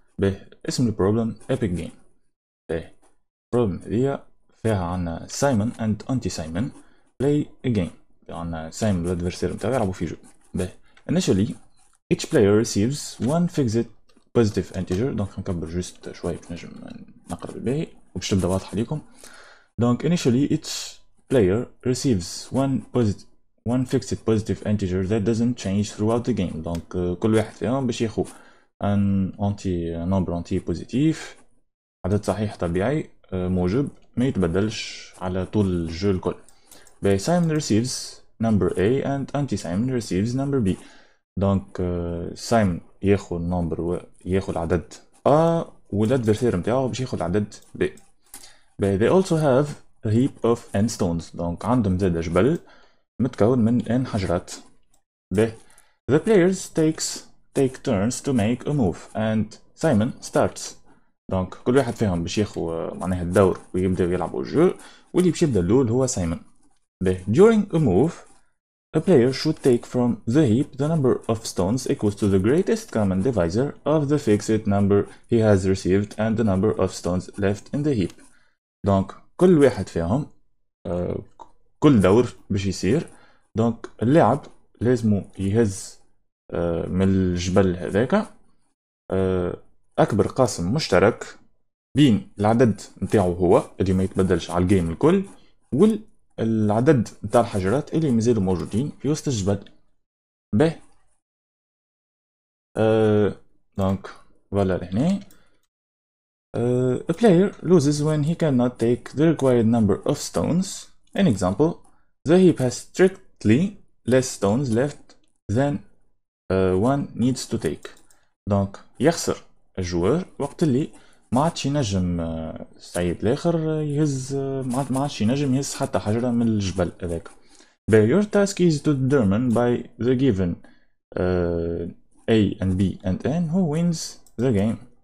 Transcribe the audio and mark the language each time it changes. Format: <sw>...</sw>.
<ar>باهي اسم البروبلم ايبك جيم. باهي البروبلم هذيا فيها عنا سايمون اند انتي سايمون بلاي ا جيم. عنا سايمون الادفيرسير نتاعو يلعبوا في جو. باهي انيشالي ايتش بلاير ريسيفز وان فيكسد بوزيتيف انتيجر. دونك نكبر جوست شوية باش نجم نقرا باهي وباش تبدا واضحة ليكم.</ar> <en>دونك initially each player receives one fixed positive integer that doesn't change throughout the game.</en> <ar>دونك كل واحد فيهم باش ياخو ان انتي نمبر انتي بوزيتيف، عدد صحيح طبيعي موجب ما يتبدلش على طول الجو الكل.</ar> <en>باهي Simon receives number A and anti Simon receives number B.</en> <ar>دونك Simon ياخو النمبر و ياخو العدد A والادفيرسير نتاعو باش ياخو العدد B.</ar> <en>But they also have a heap of n stones.</en> <ar>دونك عندهم زاد جبل متكون من n حجرات.</ar> <en>باهي the players take turns to make a move and Simon starts.</en> <ar>دونك كل واحد فيهم باش ياخو معناها الدور ويبداو يلعبوا الجو، واللي باش يبدا الاول هو Simon.</ar> <en>باهي during a move a player should take from the heap the number of stones equals to the greatest common divisor of the fixed number he has received and the number of stones left in the heap.</en> <ar>دونك كل واحد فيهم كل دور باش يصير. دونك اللاعب لازم يهز من الجبل هذاك اكبر قاسم مشترك بين العدد نتاعو هو اللي ما يتبدلش على الجيم الكل والعدد نتاع الحجرات اللي مازالوا موجودين في وسط الجبل. باهي دونك فوالا لهنا.</ar> <en>A player loses when he cannot take the required number of stones. An example, the heap has strictly less stones left than one needs to take.</en> <ar>Donc, يخسر الجوار وقت اللي ما عادش ينجم سعيد الاخر يهز ما عادش ينجم يهز حتى حجرة من الجبل هذاك.</ar> <en>But your task is to determine by the given A and B and N who wins the game.</en>